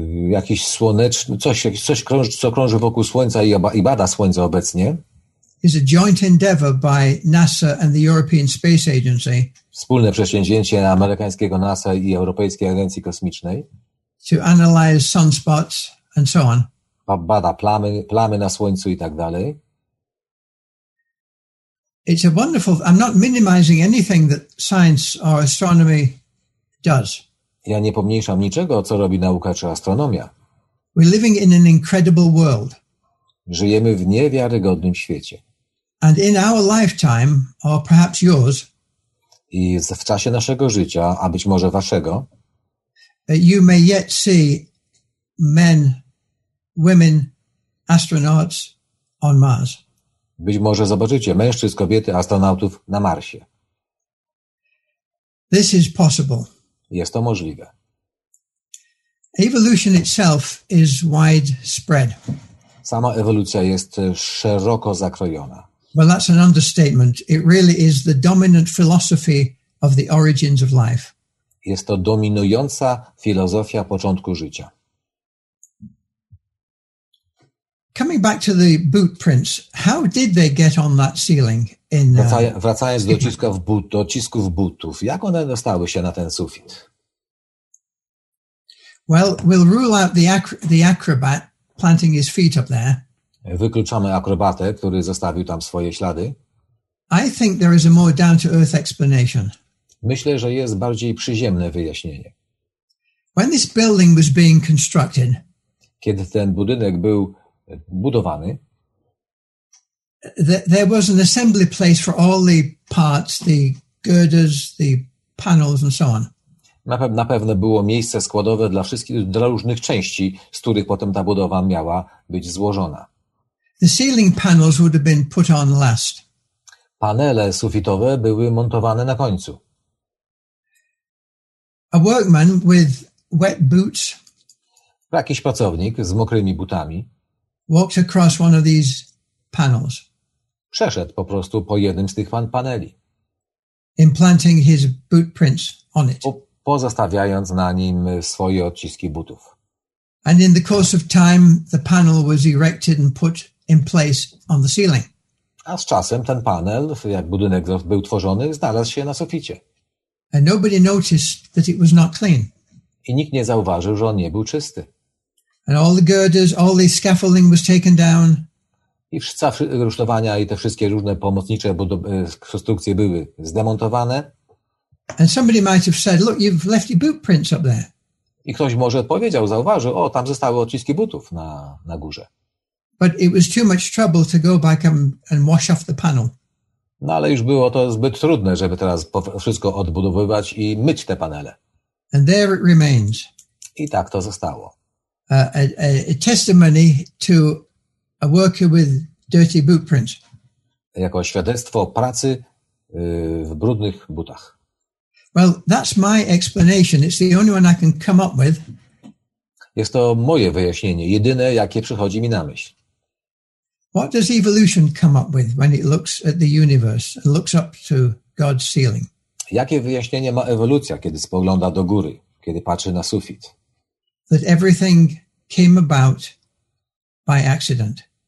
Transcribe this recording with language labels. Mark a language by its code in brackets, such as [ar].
[pl] Jakiś słoneczny, coś krąży wokół Słońca i bada Słońce obecnie. [en] Is a joint endeavor by NASA and the European Space Agency. [pl] Wspólne przedsięwzięcie amerykańskiego NASA i Europejskiej Agencji Kosmicznej. [en] To analyze sunspots and so on. [pl] Bada plamy na Słońcu i tak dalej. [en] it's a wonderful, I'm not minimizing anything that science or astronomy does. [pl] Ja nie pomniejszam niczego, co robi nauka czy astronomia. [en] We're living in an incredible world. [pl] Żyjemy w niewiarygodnym świecie. [en] And in our lifetime, or perhaps yours, [pl] i w czasie naszego życia, a być może waszego, [en] you may yet see men, women, astronauts on Mars. [pl] Być może zobaczycie mężczyzn, kobiety, astronautów na Marsie. [en] This is possible. [pl] Jest to możliwe. [en] Evolution itself is widespread. [pl] Sama ewolucja jest szeroko zakrojona. [en] Well, that's an understatement. It really is the dominant philosophy of the origins of life. [pl] Jest to dominująca filozofia początku życia. [en] Coming back to the boot prints, how did they get on that ceiling? [pl] Wracając do odcisków butów, jak one dostały się na ten sufit? [en] Well, we'll rule out the acrobat planting his feet up there. [pl] Wykluczamy akrobatę, który zostawił tam swoje ślady. [en] I think there is a more down-to-earth explanation. [pl] Myślę, że jest bardziej przyziemne wyjaśnienie. [en] When this building was being constructed, [pl] kiedy ten budynek był budowany, [en] there was an assembly place for all the parts, the girders, the panels and so on. [pl] Na pewno było miejsce składowe dla wszystkich, dla różnych części, z których potem ta budowa miała być złożona. [en] The ceiling panels would have been put on last. [pl] Panele sufitowe były montowane na końcu. [en] A workman with wet boots. [pl] Jakiś pracownik z mokrymi butami. [en] Walked across one of these panels. [pl] Przeszedł po prostu po jednym z tych paneli. [en] Implanting his boot prints on it. [pl] Pozostawiając na nim swoje odciski butów. [en] And in the course of time, the panel was erected and put in place on the ceiling. [pl] A z czasem ten panel, jak budynek był tworzony, znalazł się na suficie. [en] And nobody noticed that it was not clean. [pl] I nikt nie zauważył, że on nie był czysty. [en] And all the girders, all the scaffolding was taken down. [pl] I wszystkie rusztowania i te wszystkie różne pomocnicze konstrukcje były zdemontowane. [en] And somebody might have said, look, you've left your boot prints up there. [pl] I ktoś może powiedział, zauważył, o, tam zostały odciski butów na górze. [en] But it was too much trouble to go back and wash off the panel. [pl] No ale już było to zbyt trudne, żeby teraz wszystko odbudowywać i myć te panele. [en] And there it remains. [pl] I tak to zostało. [en] A testimony to a worker with dirty boot prints. [pl] Jako świadectwo pracy w brudnych butach. [en] Well, that's my explanation. It's the only one I can come up with. [pl] Jest to moje wyjaśnienie, jedyne, jakie przychodzi mi na myśl. [en] What does evolution come up with when it looks at the universe and looks up to God's ceiling? [pl] Jakie wyjaśnienie ma ewolucja, kiedy spogląda do góry, kiedy patrzy na sufit? [en] That everything came about by accident.